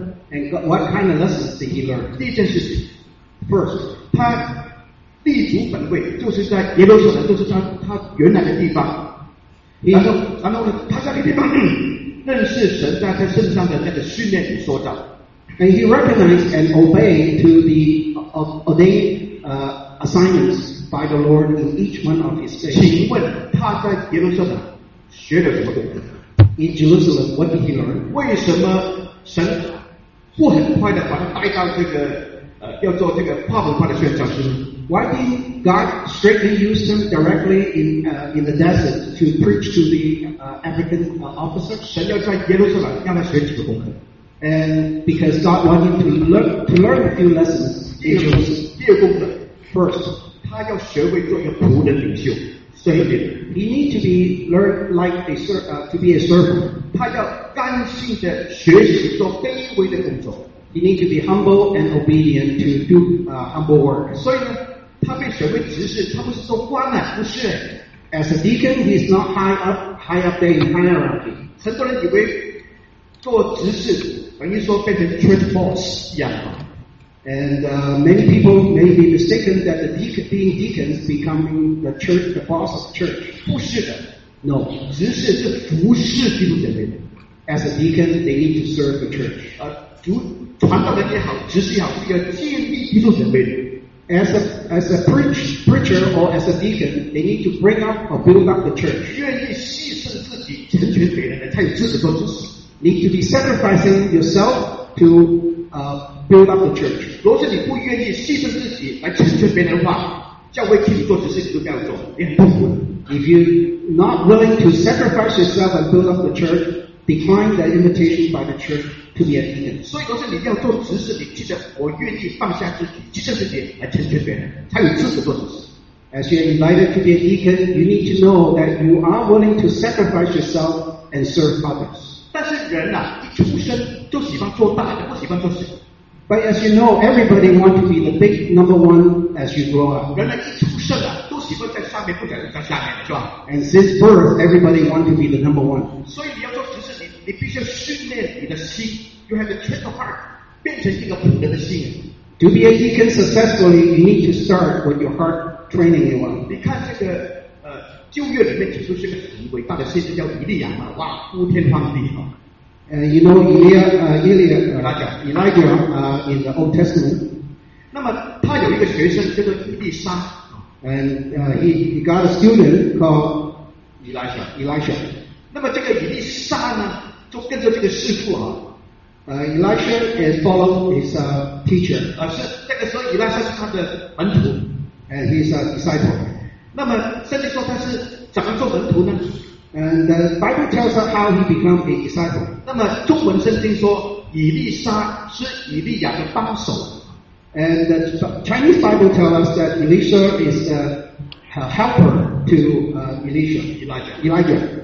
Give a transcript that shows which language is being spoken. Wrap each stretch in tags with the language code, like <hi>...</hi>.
<en>And what kind of lessons did he learn?</en> <zh>第一件事情</zh> <en>First,</en> <zh>他立足本位，就是在耶路撒冷，就是他原来的地方。然后呢，他在那个地方认识神在他身上的那个训练与塑造。</zh> <en>And he recognized and obeyed to the ordained assignments by the Lord in each one of his phases.</en> <zh>请问他在耶路撒冷。学了什么功课</zh> <en>？In Jerusalem, what did he learn?</en> <zh>为什么神不很快的把他带到这个要做这个跨文化的宣教师</zh> <en>？Why did God strictly use him directly in the desert to preach to the African officer?</en> <zh>神要在耶路撒冷让他学几个功课</zh> <en>？And because God wanted to learn a few lessons in Jerusalem.</en> <zh>第二功课</zh> <en>，First，</en> <zh>他要学会做一个仆人领袖。</zh> <en>He need to be learned like a to be a servant.</en> <zh>他要甘心的学习做卑微的工作。</zh> <en>He need to be humble and obedient to do humble work.</en> <zh>所以呢，他被选为执事，他不是做官啊，不是。</zh> <en>As a deacon, he is not high up there in hierarchy.</en> <zh>很多人以为做执事等于说变成</zh> <en>church boss</en> <zh>一样啊。</zh> <en>And many people may be mistaken that the deacons becoming the church, the boss of the church.</en> <zh>不是的</zh> <en>No.</en> <zh>执事是服侍基督教会的</zh> <en>As a deacon, they need to serve the church.</en> <zh>传道人也好，执事也好，是要建立基督教会的</zh> <en>As a preacher or as a deacon, they need to bring up or build up the church.</en> <zh>愿意牺牲自己，成全别人，才有资格做执事</zh> <en>Need to be sacrificing yourself to build up the church.</en> <zh>若是你不愿意牺牲自己来成全别人的话，教会替你做这些事情都不要做，你很痛苦。</zh> <en>If you not willing to sacrifice yourself and build up the church, decline the invitation by the church to be a deacon.</en> <zh>所以若是你要做执事，你记得我愿意放下自己，牺牲自己来成全别人，才有资格做执事。</zh> <en>As you are invited to be a deacon, you need to know that you are willing to sacrifice yourself and serve others.</en> <zh>但是人呐、啊，一出生就喜欢做大的，不喜欢做小。</zh> <en>But as you know, everybody wants to be the big number one as you grow up.</en> <zh>人一出生啊，都喜欢在上面，不想在下面，是吧</zh> <en>？And since birth, everybody wants to be the number one.</en> <zh>所以你要做执事，你必须要训练你的心。</zh> <en>You have to train the heart,</en> <zh>变成一个仆人的心。</zh> <en>To be a deacon successfully, you need to start with your heart training you on.</en> <zh>你看这个旧约里面指出是个很伟大的先知叫以利亚嘛，哇，呼天唤地哈。</zh> <en>You know Elijah in the Old Testament.</en> <zh>那么他有一个学生叫做伊丽莎。</zh> <en>And he got a student called Elisha.</en> <zh>那么这个伊丽莎呢，就跟着这个师傅啊。</zh> <en>Elisha is follow his teacher.</en> <zh>是这个时候伊丽莎是他的门徒。</zh> <en>And he's a disciple.</en> <zh>那么甚至说他是怎么做门徒呢？</zh> <en>And the Bible tells us how he became a disciple.</en> <zh>那么中文圣经说以利沙是以利亚的帮手。</zh> <en>And the Chinese Bible tells us that Elisha is a helper to Elijah.</en>